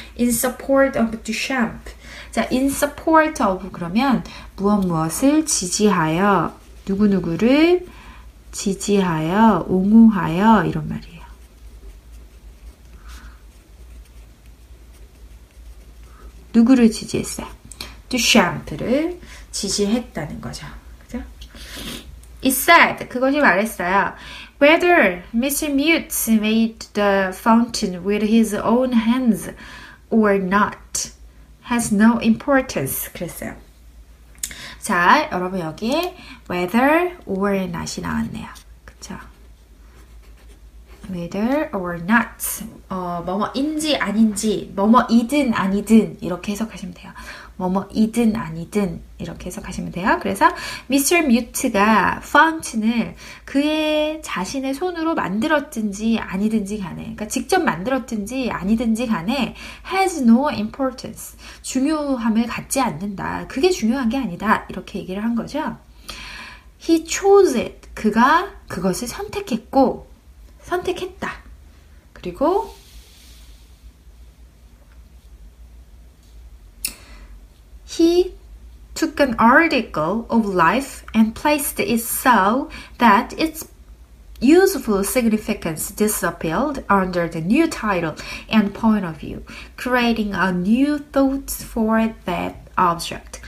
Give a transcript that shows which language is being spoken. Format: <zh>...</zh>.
<en>In support of Duchamp.</en> <ko>자,</ko> <en>in support of</en> <ko>그러면 무엇무엇을 지지하여 누구누구를 지지하여 옹호하여 이런 말이에요. 누구를 지지했어요? 두샴프를 지지했다는 거죠. 그죠?</ko> <en>It said,</en> <ko>그것이 말했어요.</ko> <en>Whether Mr. Mutes made the fountain with his own hands or not has no importance.</en> <ko>그랬어요. 자, 여러분 여기에</ko> <en>whether or not</en> <ko>이 나왔네요. 그쵸?</ko> <en>Whether or not.</en> <ko>뭐뭐인지 아닌지, 뭐뭐이든 아니든 이렇게 해석하시면 돼요. 뭐뭐이든 아니든 이렇게 해석하시면 돼요. 그래서 Mr. Mute가 fountain을 그의 자신의 손으로 만들었든지 아니든지 간에, 그러니까 직접 만들었든지 아니든지 간에</ko> <en>has no importance.</en> <ko>중요함을 갖지 않는다. 그게 중요한 게 아니다. 이렇게 얘기를 한 거죠.</ko> <en>He chose it.</en> <ko>그가 그것을 선택했고, 선택했다. 그리고</ko> <en>He took an article of life and placed it so that its useful significance disappeared under the new title and point of view, creating a new thought for that object.</en>